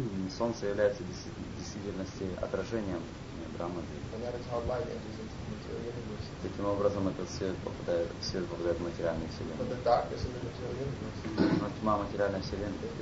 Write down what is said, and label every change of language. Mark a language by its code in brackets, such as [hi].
[ru] Солнце является действительности отражением Брахма Джоти. [en] And that is how light enters into the material universe. [ru] Таким образом, этот свет попадает в материальный вселенную. [en] But the darkness of the material universe. [ru] Но тьма материальной вселенной.